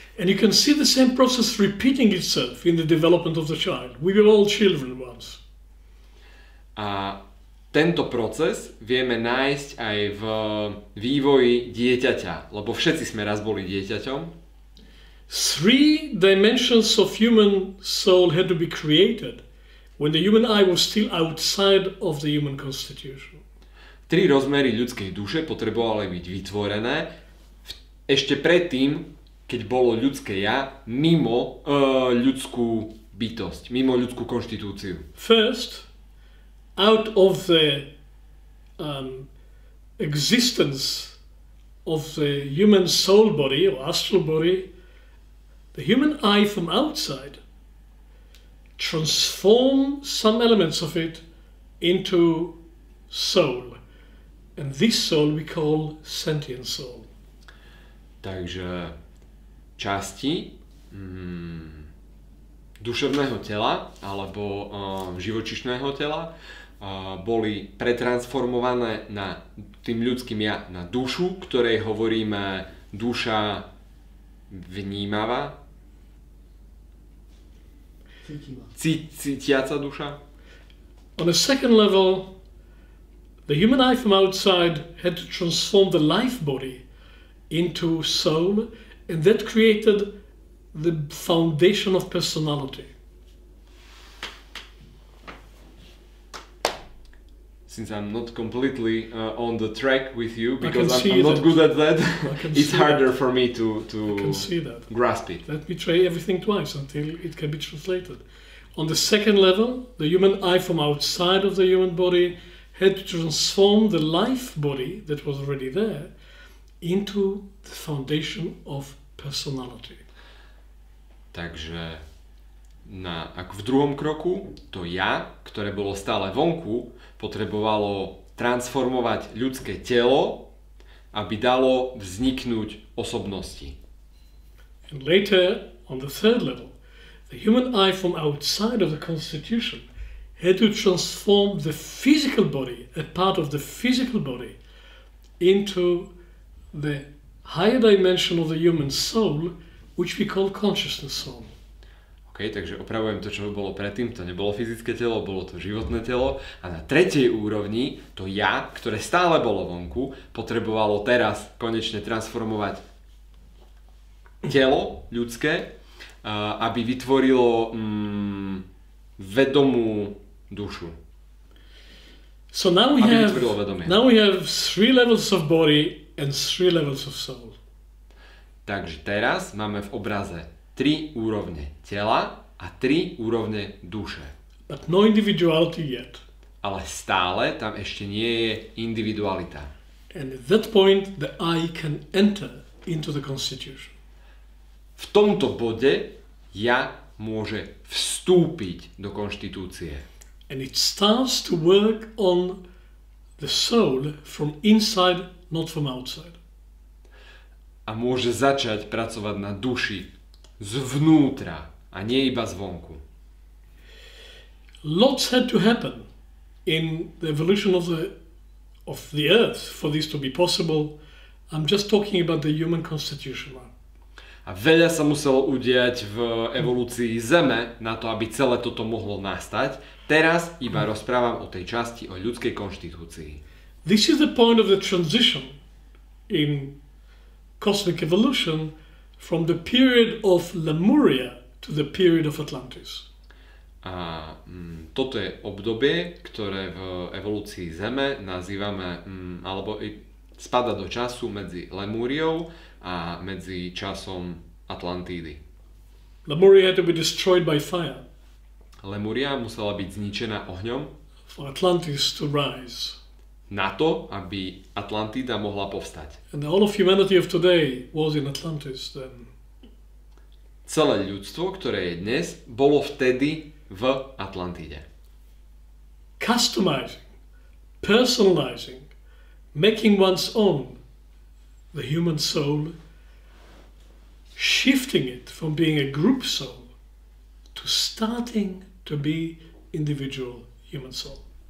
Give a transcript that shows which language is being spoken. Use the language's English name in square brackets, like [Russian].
[English] And you can see the same process repeating itself in the development of the child. We were all children once. [Slovak] A tento proces vieme nájsť aj v vývoji dieťaťa, lebo všetci sme raz boli dieťaťom. [English] Three dimensions of human soul had to be created when the human eye was still outside of the human constitution. [Slovak] Tri rozmery ľudskej duše potrebovali byť vytvorené ešte predtým, keď bolo ľudské ja mimo ľudskú bytosť, mimo ľudskú konštitúciu. [English] First, out of the existence of the human soul body or astral body, the human eye from outside transform some elements of it into soul. And this soul we call sentient soul. [Slovak] Takže časti duševného tela alebo živočišného tela boli pretransformované na tým ľudským ja na dušu, ktorej hovoríme duša vnímava. Cítiaca duša. [English] On a second level, the human eye from outside had to transform the life body into soul, and that created the foundation of personality. Since I'm not completely on the track with you, because I'm not good at that, it's harder for me to grasp it. Let me try everything twice until it can be translated. On the second level, the human eye from outside of the human body had to transform the life body that was already there into the foundation of personality. [Slovak] Takže ako v druhom kroku, to ja, ktoré bolo stále vonku, potrebovalo transformovať ľudské telo, aby dalo vzniknúť osobnosti. [English] And later, on the third level, the human eye from outside of the constitution had to transform the physical body, a part of the physical body, into the higher dimension of the human soul, which we call consciousness soul. [Slovak] OK, takže opravujem to, čo bolo predtým. To nebolo fyzické telo, bolo to životné telo. A na tretej úrovni, to ja, ktoré stále bolo vonku, potrebovalo teraz konečne transformovať telo ľudské, aby vytvorilo vedomú dušu. [English] So now we have three levels of body and three levels of soul. [Slovak] Takže teraz máme v obraze tri úrovne tela a tri úrovne duše. [English] But no individuality yet. [Slovak] Ale stále tam ešte nie je individualita. [English] And at that point the I can enter into the constitution. [Slovak] V tomto bode ja môže vstúpiť do konštitúcie. [English] And it starts to work on the soul from inside, not from outside. [Slovak] A môže začať pracovať na duši zvnútra a nie iba zvonku. [English] Lots had to happen in the evolution of the earth for this to be possible. I'm just talking about the human constitution. [Slovak] A veľa sa muselo udiať v evolúcii Zeme na to, aby celé toto mohlo nastať. Teraz iba rozprávam o tej časti o ľudskej konštitúcii. [English] This is the point of the transition in cosmic evolution from the period of Lemuria to the period of Atlantis. [Slovak] A toto je obdobie, ktoré v evolúcii Zeme nazývame, alebo spada do času medzi Lemúriou a medzi časom Atlantídy. [English] Lemuria had to be destroyed by fire. [Slovak] Lemuria musela byť zničená ohňom. [English] For Atlantis to rise. [Slovak] Na to, aby Atlantída mohla povstať. [English] And all of humanity of today was in Atlantis then. [Slovak] Celé ľudstvo, ktoré je dnes, bolo vtedy v Atlantíde. [English] Customizing, personalizing, making one's own the human soul, shifting it from being a group soul to starting to be individual human soul.